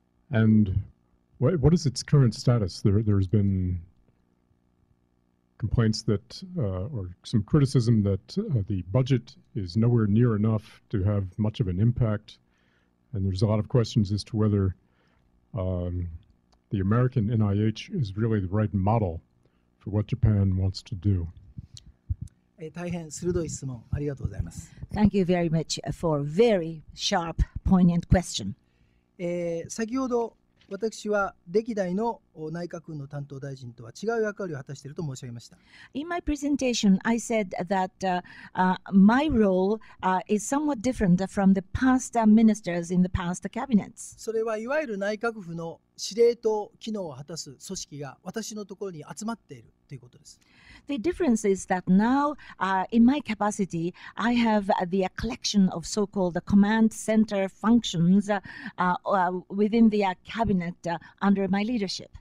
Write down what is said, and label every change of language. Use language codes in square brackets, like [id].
[en] And what is its current status? There's been complaints that, or some criticism that the budget is nowhere near enough to have much of an impact. And there's a lot of questions as to whether the American NIH is really the right model for what Japan wants to do. [ja] 大変鋭い質問ありがとうございます。 [en] Thank you very much for very sharp, poignant question. [ja] 先ほど私は歴代の内閣府の担当大臣とは違う役割を果たしていると申し上げました。 [en] In my presentation, I said that my role is somewhat different from the past ministers in the past cabinets. [ja] それはいわゆる内閣府の司令塔機能を果たす組織が私のところに集まっているということです。 [en] The difference is that now, in my capacity, I have the collection of so-called command center functions within the cabinet under my leadership.